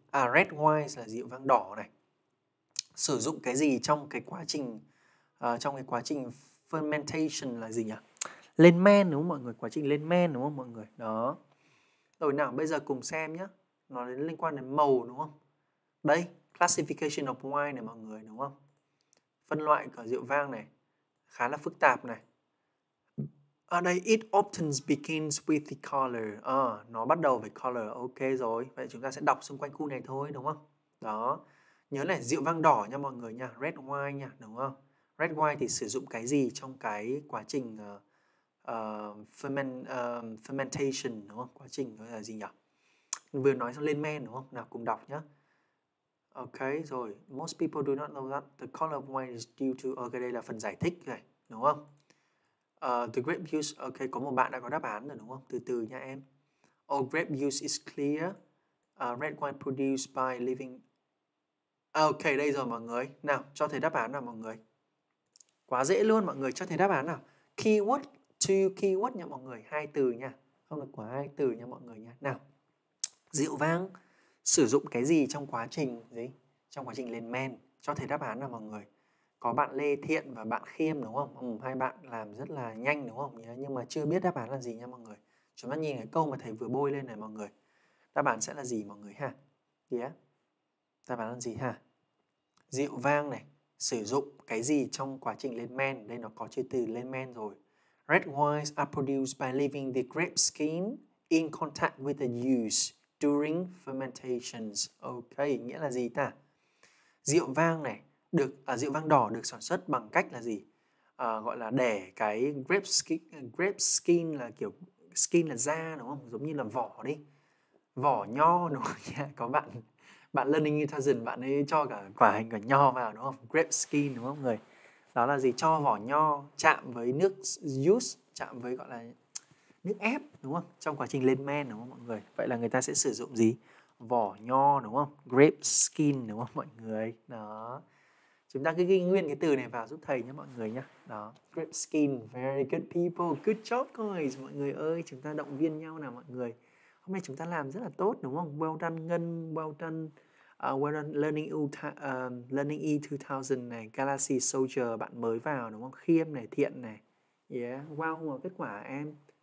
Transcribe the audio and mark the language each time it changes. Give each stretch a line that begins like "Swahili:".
Vietnamese: À, red wine là rượu vang đỏ này. Sử dụng cái gì trong cái quá trình fermentation là gì nhỉ? Lên men đúng không mọi người? Quá trình lên men đúng không mọi người? Đó. Rồi nào, bây giờ cùng xem nhé. Nó liên quan đến màu đúng không? Đây, classification of wine này mọi người đúng không? Phân loại của rượu vang này. Khá là phức tạp này. Ở đây,
English: it often begins with the color.
Vietnamese: À, nó bắt đầu với color. Ok rồi. Vậy chúng ta sẽ đọc xung quanh khu này thôi đúng không? Đó. Nhớ là rượu vang đỏ nha mọi người nha. Red wine nha, đúng không? Red wine thì sử dụng cái gì trong cái quá trình fermentation đúng không? Quá trình là gì nhỉ? Vừa nói xong lên men đúng không? Nào cùng đọc nhá. Ok rồi.
English: Most people do not know that the color of wine is due to...
Vietnamese: Ok, đây là phần giải thích này, đúng không?
English: The grape juice,
Vietnamese: ok, có một bạn đã có đáp án rồi đúng không? Từ từ nha em.
English: Oh, grape juice is clear. Red wine produced by living...
Vietnamese: Ok, đây rồi mọi người. Nào, cho thầy đáp án nào mọi người. Quá dễ luôn mọi người, cho thầy đáp án nào. Keyword, two keyword nha mọi người. Hai từ nha. Không được quá hai từ nha mọi người nha. Nào, rượu vang sử dụng cái gì trong quá trình gì? Trong quá trình lên men. Cho thầy đáp án nào mọi người. Có bạn Lê Thiện và bạn Khiêm đúng không? Ừ, hai bạn làm rất là nhanh đúng không? Nhưng mà chưa biết đáp án là gì nha mọi người. Chúng ta nhìn cái câu mà thầy vừa bôi lên này mọi người. Đáp án sẽ là gì mọi người ha? Yeah. Đáp án là gì ha? Rượu vang này, sử dụng cái gì trong quá trình lên men? Đây nó có chữ từ lên men rồi.
English: Red wines are produced by leaving the grape skin in contact with the juice during fermentations.
Vietnamese: Ok, nghĩa là gì ta? Rượu vang này, rượu vang đỏ được sản xuất bằng cách là gì? À, gọi là để cái grape skin là kiểu skin là da đúng không? Giống như là vỏ đi. Vỏ nho đúng không? Yeah, có bạn bạn Learning Italian, bạn ấy cho cả quả hành quả nho vào đúng không? Grape skin đúng không người? Đó là gì? Cho vỏ nho chạm với nước juice, chạm với gọi là nước ép đúng không? Trong quá trình lên men đúng không mọi người? Vậy là người ta sẽ sử dụng gì? Vỏ nho đúng không? Grape skin đúng không mọi người? Đó. Chúng ta cứ ghi nguyên cái từ này vào giúp thầy nhé mọi người nhé.
English: Đó, grape skin, very good people, good job guys.
Vietnamese: Mọi người ơi, chúng ta động viên nhau nào mọi người. Hôm nay chúng ta làm rất là tốt đúng không?
English: Well done
Vietnamese: Ngân, well done Learning E2000 này, Galaxy Soldier bạn mới vào đúng không? Khiêm này, Thiện này. Yeah, wow không có kết quả em?